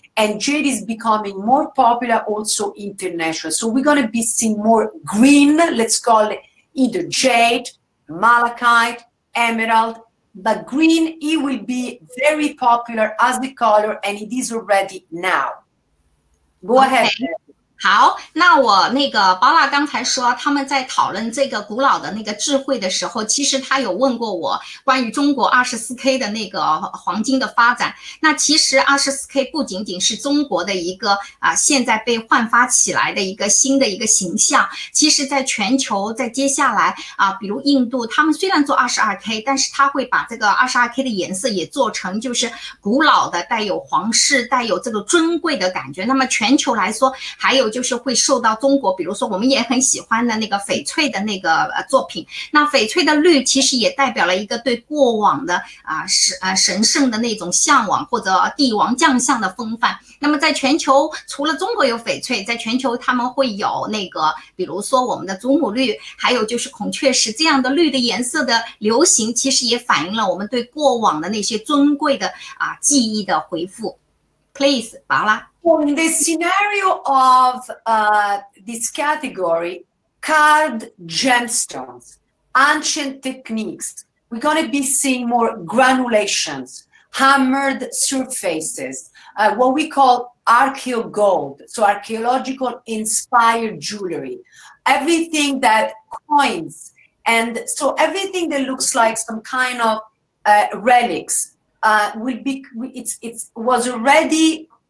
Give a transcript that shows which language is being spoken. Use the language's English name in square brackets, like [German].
[English] And jade is becoming more popular also internationally. So we're going to be seeing more green, let's call it either jade, malachite, emerald. But green, it will be very popular as the color, and it is already now. Go ahead. Okay. [Chinese] 好，那我那个巴拉刚才说他们在讨论这个古老的那个智慧的时候，其实他有问过我关于中国 24K 的那个黄金的发展。那其实 24K 不仅仅是中国的一个啊，现在被焕发起来的一个新的一个形象，其实在全球在接下来啊，比如印度，他们虽然做 22K， 但是他会把这个 22K 的颜色也做成就是古老的，带有皇室，带有这个尊贵的感觉。那么全球来说还有就是会受到中国，比如说我们也很喜欢的那个翡翠的那个作品，那翡翠的绿其实也代表了一个对过往的神圣的那种向往，或者帝王将相的风范。那么在全球除了中国有翡翠，在全球他们会有那个比如说我们的祖母绿，还有就是孔雀石，这样的绿的颜色的流行其实也反映了我们对过往的那些尊贵的记忆的回复。 [English] Please, 巴拉。 Well, in the scenario of this category, carved gemstones, ancient techniques, we're going to be seeing more granulations, hammered surfaces, what we call archaeo gold, so archaeological inspired jewelry, everything that coins, and so everything that looks like some kind of relics, will be, it's was already